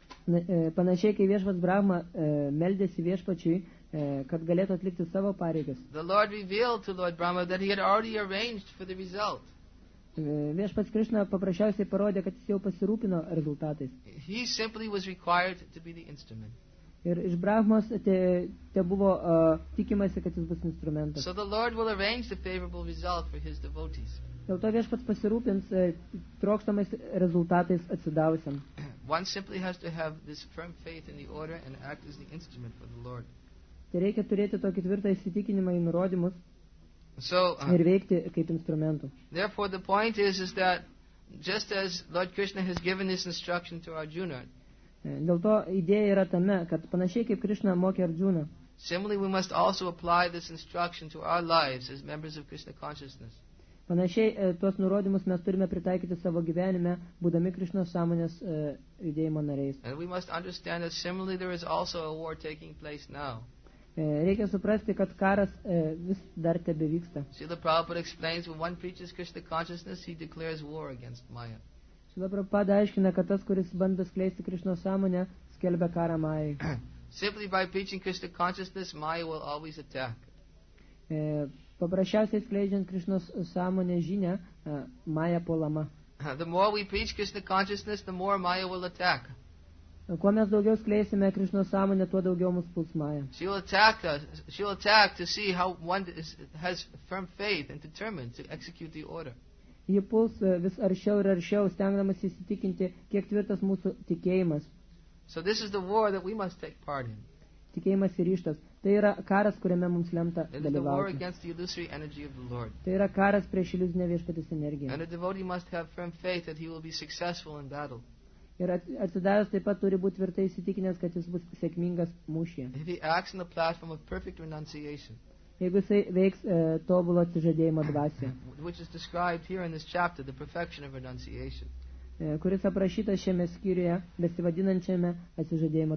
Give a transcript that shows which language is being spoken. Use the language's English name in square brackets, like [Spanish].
[Lithuanian] Panašiai, kai Viešpats Brahma meldėsi Viešpačiui, kad galėtų atlikti savo pareigas. [English] The Lord revealed to Lord Brahma that he had already arranged for the result. [Lithuanian] Viešpats Krishna paprasčiausiai parodė, kad jis jau pasirūpino rezultatais. [English] He simply was required to be the instrument. [Lithuanian] Ir iš Brahmos te buvo tikimasi, kad jis bus instrumentas. [English] So the Lord will arrange the favorable result for his devotees. [Lithuanian] Dėl to Viešpats pasirūpins trokštamais rezultatais atsidavusiam. [English] One simply has to have this firm faith in the order and act as the instrument for the Lord. [Lithuanian] Tai reikia turėti tokį tvirtą įsitikinimą į nurodymus ir veikti kaip instrumentų. [English] Therefore the point is that just as Lord Krishna has given this instruction to Arjuna. [Lithuanian] Dėl to idėja yra tame, kad panašiai kaip Krishna mokė Arjuna. [English] Similarly we must also apply this instruction to our lives as members of Krishna consciousness. [Lithuanian] Panašiai tuos nurodymus mes turime pritaikyti savo gyvenime, būdami Krishna sąmonės judėjimo nariais. [English] And we must understand that similarly there is also a war taking place now. [Lithuanian] Reikia suprasti, kad karas vis dar tebevyksta. [English] Srila Prabhupada explains when one preaches Krishna consciousness, he declares war against Maya. [Lithuanian] Srila Prabhupada aiškina, kad tas, kuris bando skleisti Krishna sąmonę, skelbia karą Mayai. [English] Simply by preaching Krishna consciousness, Maya will always attack. [Lithuanian] Paprasčiausiai skleidžiant Krishna sąmonę žinia, Maya puolama. [English] The more we preach Krishna consciousness, the more Maya will attack. [Lithuanian] Kuo mes daugiau skleisime Krishna sąmonę, tuo daugiau mus puls Maya. [English] She will attack to see how one has firm faith and determined to execute the order. [Lithuanian] Ji puls vis aršiau ir aršiau, stengdamas įsitikinti, kiek tvirtas mūsų tikėjimas. [English] So this is the war that we must take part in. [Lithuanian] Tikėjimas ir ryštas. Tai yra karas, kuriame mums lemta dalyvauti. [English] It is the war against the illusory energy of the Lord. [Lithuanian] Tai yra karas prieš iliuzinę Viešpaties energiją. [English] And a devotee must have firm faith that he will be successful in battle. [Lithuanian] Ir atsidavęs taip pat turi būti tvirtai įsitikinęs, kad jis bus sėkmingas mūšyje. Jeigu jis veiks tobulo atsižadėjimo dvasia, kuris aprašytas šiame skyriuje, besivadinančiame atsižadėjimo